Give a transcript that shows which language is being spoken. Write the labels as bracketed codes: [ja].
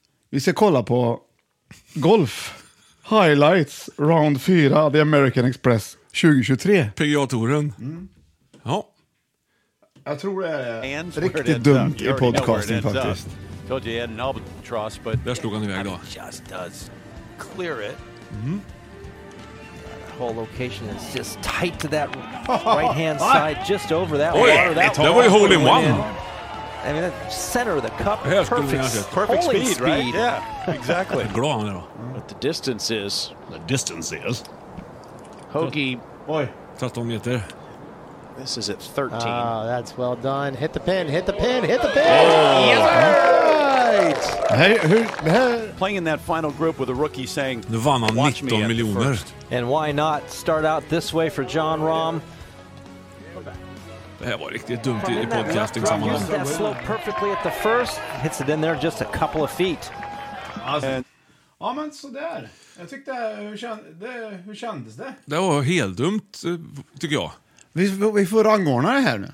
[sv] Vi ska kolla på golf. Highlights, round 4, The American Express 2023. PGA-touren. Ja. Jag tror det är riktigt dumt i podcasting faktiskt. [en] Told you he had an albatross, but [sv] där slog han iväg då. [en] Just does clear it. That whole location is just tight to that right hand side, just over that water. That one. [sv] Det var ju hole in one. [en] I mean, that center of the cup, perfect speed, right? Yeah, exactly. [sv] Bra han då. [en] But the distance is. The distance is. Hoagie. [sv] Oj. 13 meter. [en] This is at 13. Oh, that's well done. Hit the pin. Oh. Right. Hey. Playing in that final group with a rookie saying, [sv] "Nu vann han 19 miljoner." [en] And why not start out this way for John Rahm? [sv] Det här var riktigt dumt i podcasting sammanhang. [en] That slope perfectly at the first. Hits it in there just a couple of feet. Awesome. And [sv] ja, men sådär. Jag tyckte, hur kändes det? Det var helt dumt, tycker jag. Vi får rangordna det här nu.